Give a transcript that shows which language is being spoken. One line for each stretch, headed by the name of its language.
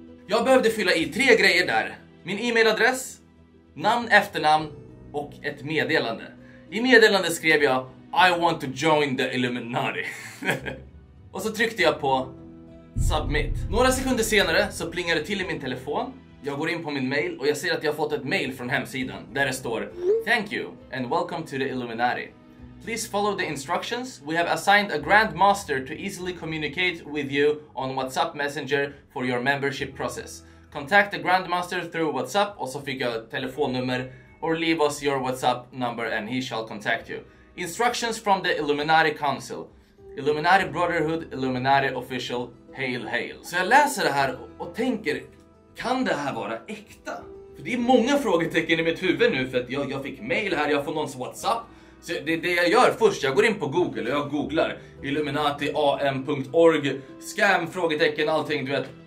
Swedish: Jag behövde fylla i 3 grejer där. Min e-mailadress, namn, efternamn och ett meddelande. I meddelandet skrev jag
English: I want to join the Illuminati.
Swedish: Och så tryckte jag på Submit. Några sekunder senare så plingar det till i min telefon. Jag går in på min mail och jag ser att jag har fått ett mail från hemsidan. Där det står
English: Thank you and welcome to the Illuminati. Please follow the instructions. We have assigned a grandmaster to easily communicate with you on WhatsApp Messenger for your membership process. Contact the grandmaster through WhatsApp,
Swedish: och så fick jag telefonnummer,
English: or leave us your WhatsApp number and he shall contact you. Instructions from the Illuminati Council. Illuminati Brotherhood, Illuminati Official, hail hail.
Swedish: Så jag läser det här och tänker, kan det här vara äkta? För det är många frågetecken i mitt huvud nu, för att jag fick mail här, jag får någons WhatsApp. Så det jag gör först, jag går in på Google och jag googlar illuminatiam.org scam, frågetecken, allting, du vet.